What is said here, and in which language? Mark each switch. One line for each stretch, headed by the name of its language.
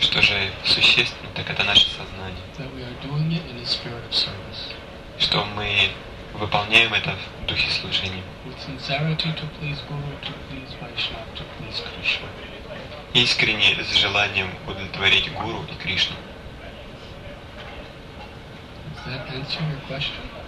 Russian: Что же существенно, так это наше сознание.
English: That we are doing it in the spirit of service.
Russian: Что мы выполняем это в духе служения.
English: With sincerity to please Guru, to please Vaishnava, to please Krishna.
Russian: Искренне с желанием удовлетворить Гуру и Кришну.
English: Does that answer your question?